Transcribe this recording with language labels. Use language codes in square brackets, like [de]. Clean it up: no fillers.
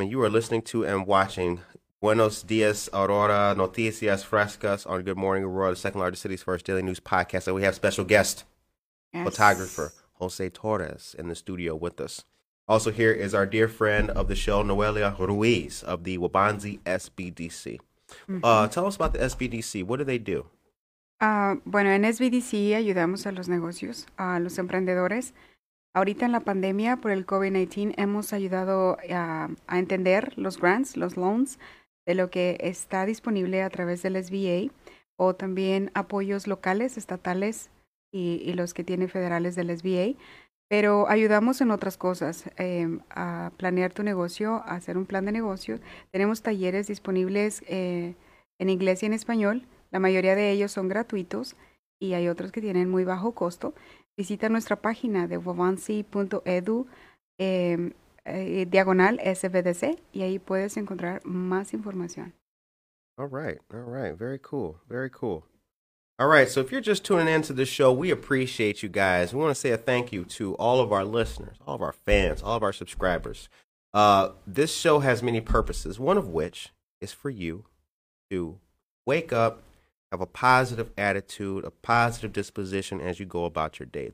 [en] and you are listening to and watching Buenos Dias Aurora Noticias Frescas on Good Morning Aurora, the second largest city's first daily news podcast. And we have special guest photographer Jose Torres in the studio with us. Also here is our dear friend of the show, Noelia Ruiz of the Waubonsie SBDC. Tell us about the SBDC. What do they do? [es] Bueno, en SBDC ayudamos a los negocios, a los emprendedores. Ahorita en la pandemia por el COVID-19 hemos ayudado a entender los grants, los loans, de lo que está disponible a través del SBA o también apoyos locales, estatales y los que tiene federales del SBA. Pero ayudamos en otras cosas, a planear tu negocio, a hacer un plan de negocio. Tenemos talleres disponibles en inglés y en español. La mayoría de ellos son gratuitos y hay otros que tienen muy bajo costo. Visita nuestra página de wawansi.edu / SBDC y ahí puedes encontrar más información. [en] All right. Very cool. All right, so if you're just tuning into the show, we appreciate you guys. We want to say a thank you to all of our listeners, all of our fans, all of our subscribers. This show has many purposes, one of which is for you to wake up, have a positive attitude, a positive disposition as you go about your day.